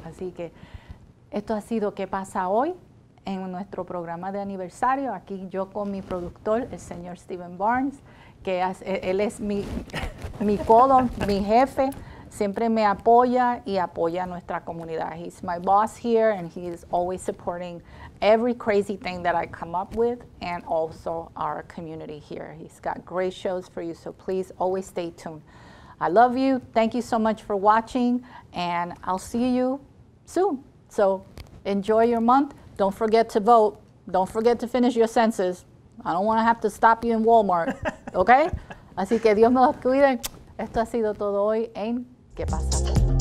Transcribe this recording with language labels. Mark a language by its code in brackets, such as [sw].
[es] Así que esto ha sido ¿Qué pasa hoy? En nuestro programa de aniversario, aquí yo con mi productor, el señor Steven Barnes, que él es mi codo, mi jefe, siempre me apoya y apoya a nuestra comunidad. [en] He's my boss here, and he is always supporting every crazy thing that I come up with, and also our community here. He's got great shows for you, so please always stay tuned. I love you. Thank you so much for watching, and I'll see you soon. So enjoy your month. Don't forget to vote. Don't forget to finish your census. I don't want to have to stop you in Walmart. [es] Okay? Así que Dios me los cuide. Esto ha sido todo hoy en ¿Qué pasa?